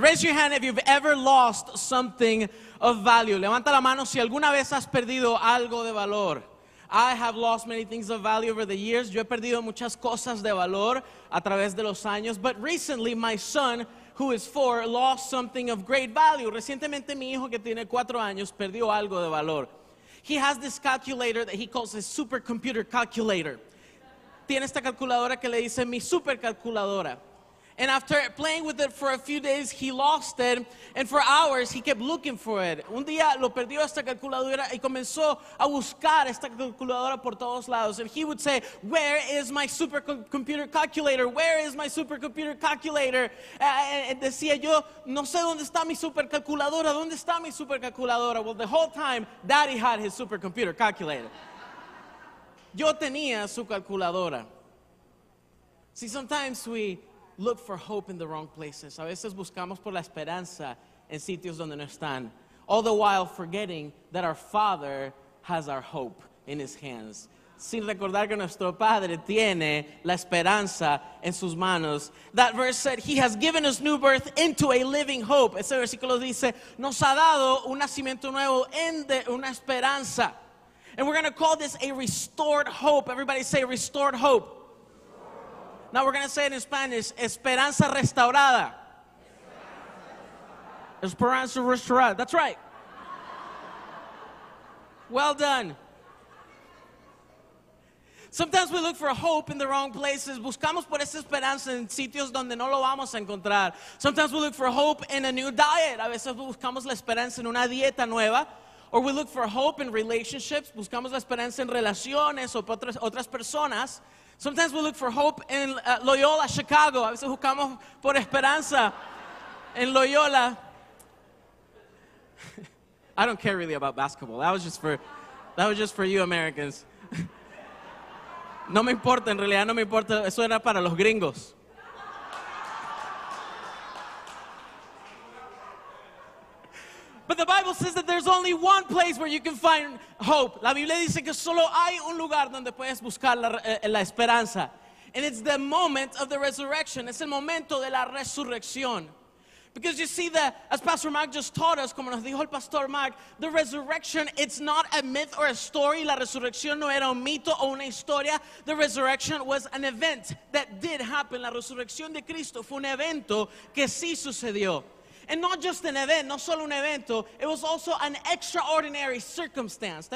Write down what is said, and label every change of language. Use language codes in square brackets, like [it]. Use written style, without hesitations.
[en] Raise your hand if you've ever lost something of value. [es] Levanta la mano si alguna vez has perdido algo de valor. [en] I have lost many things of value over the years. [es] Yo he perdido muchas cosas de valor a través de los años. [en] But recently, my son, who is 4, lost something of great value. [es] Recientemente, mi hijo, que tiene 4 años, perdió algo de valor. [en] He has this calculator that he calls his supercomputer calculator. [es] Tiene esta calculadora que le dice mi supercalculadora. [en] And after playing with it for a few days, he lost it. And for hours, he kept looking for it. [es] Un día lo perdió esta calculadora y comenzó a buscar esta calculadora por todos lados. [en] And he would say, "Where is my supercomputer calculator? Where is my supercomputer calculator?" [es] And decía yo, "No sé dónde está mi supercalculadora. ¿Dónde está mi supercalculadora?" [en] Well, the whole time, Daddy had his supercomputer calculator. [es] Yo tenía su calculadora. [en] See, sometimes we look for hope in the wrong places. [es] A veces buscamos por la esperanza en sitios donde no están. [en] All the while forgetting that our Father has our hope in His hands. [es] Sin recordar que nuestro Padre tiene la esperanza en sus manos. [en] That verse said, He has given us new birth into a living hope. [es] Ese versículo dice, nos ha dado un nacimiento nuevo en de una esperanza. [en] And we're going to call this a restored hope. Everybody say restored hope. Now we're going to say it in Spanish, [es] Esperanza Restaurada. Esperanza Restaurada. [en] That's right. Well done. Sometimes we look for hope in the wrong places. [es] Buscamos por esa esperanza en sitios donde no lo vamos a encontrar. [en] Sometimes we look for hope in a new diet. [es] A veces buscamos la esperanza en una dieta nueva. [en] Or we look for hope in relationships. [es] Buscamos la esperanza en relaciones o otras personas. [en] Sometimes we look for hope in Loyola, Chicago. [es] A veces buscamos por esperanza en Loyola. [en] I don't care really about basketball. That was just for you Americans. [es] No me importa, en realidad no me importa. Eso era para los gringos. [en] But the Bible says that there's only one place where you can find hope. [es] La Biblia dice que solo hay un lugar donde puedes buscar la esperanza. [en] And it's the moment of the resurrection. [es] Es el momento de la resurrección. [en] Because you see that, as Pastor Mark just taught us, [es] como nos dijo el Pastor Mark, [en] the resurrection, it's not a myth or a story. [es] La resurrección no era un mito o una historia. [en] The resurrection was an event that did happen. [es] La resurrección de Cristo fue un evento que sí sucedió. [en] And not just an event, [es] no solo un evento, [en] it was also an extraordinary circumstance.